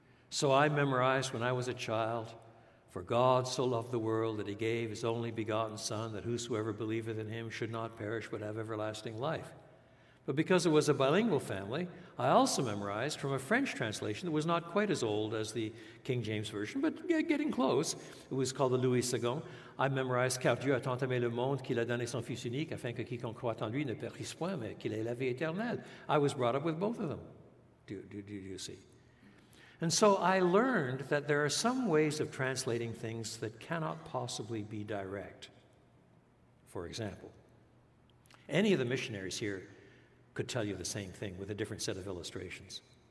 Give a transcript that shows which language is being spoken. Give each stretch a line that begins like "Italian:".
English: So I memorized when I was a child, "For God so loved the world that he gave his only begotten Son, that whosoever believeth in him should not perish but have everlasting life." But because it was a bilingual family, I also memorized from a French translation that was not quite as old as the King James Version, but getting close. It was called the Louis Segond.
French: I memorized, "Car Dieu a tant aimé le monde qu'il a donné son Fils unique, afin que quiconque croit en lui ne périsse point, mais qu'il ait la vie éternelle."
English: I was brought up with both of them. Do you see? And so I learned that there are some ways of translating things that cannot possibly be direct. For example, any of the missionaries here could tell you the same thing with a different set of illustrations.